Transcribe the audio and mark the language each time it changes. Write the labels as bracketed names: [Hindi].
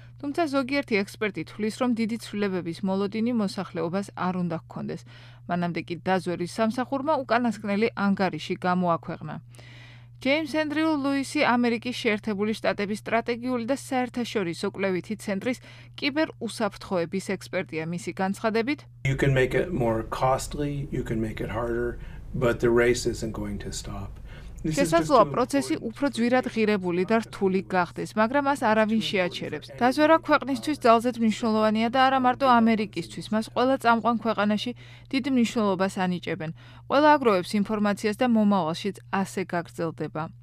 [Georgian] თუმცა ზოგიერთი ექსპერტი თვლის, რომ დიდი ცვლილებების მოლოდინი მოსახლეობას არ უნდა ჰქონდეს. მანამდე კი დაზვერვის სამსახურმა უკანასკნელი ანგარიში გამოაქვეყნა. ჯეიმს ენდრიუ ლუისი, ამერიკის შეერთებული შტატების სტრატეგიული და საერთაშორისო კვლევითი ცენტრის კიბერ უსაფრთხოების ექსპერტია, მისი განცხადებით: [English] You can make it more costly, you can make it harder, but the race isn't going to stop. [Georgian] შესაძლოა პროცესი უფრო ძვირად ღირებული და რთული გახდეს, მაგრამ ას არავინ შეაჩერებს. დაზვერა ქვეყნისთვის ძალზედ მნიშვნელოვანია და არა მარტო ამერიკისთვის, მას ყველა წამყვან ქვეყანაში დიდ მნიშვნელობას ანიჭებენ. ყველა აგროვებს ინფორმაციას და მომავალშიც ასე გაგრძელდება.